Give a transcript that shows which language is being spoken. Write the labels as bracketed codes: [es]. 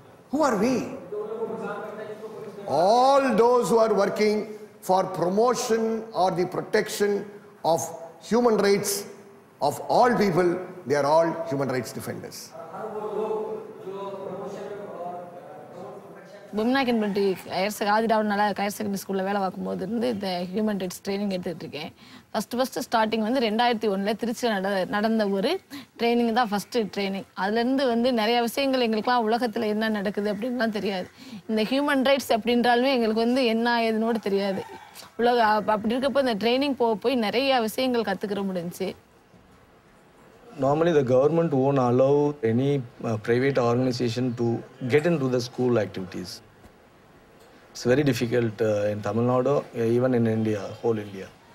[en] Who are we? All those who are working for promotion or the protection of human rights of all people, they are all human rights defenders. [ta] பிம்னா கன்வென்ட்ரி higher secondary down நல்லா higher secondary ஸ்கூலில் வேலை பார்க்கும்போது இருந்து இந்த human rights training எடுத்துகிட்ருக்கேன். First starting வந்து 2001 திருச்சியில் நடந்த ஒரு ட்ரைனிங் தான் ஃபஸ்ட்டு ட்ரைனிங். அதுலேருந்து வந்து நிறைய விஷயங்கள் எங்களுக்குலாம் உலகத்தில் என்ன நடக்குது அப்படின்லாம் தெரியாது. இந்த ஹியூமன் ரைட்ஸ் அப்படின்றாலுமே எங்களுக்கு வந்து என்ன ஏதுனோடு தெரியாது. உலக அப்படி இருக்கப்போ இந்த ட்ரைனிங் போக போய் நிறைய விஷயங்கள் கற்றுக்கிற முடிஞ்சு. [en] Normally, the government won't allow any private organization to get into the school activities. It's very difficult in Tamil Nadu, even in India, whole India.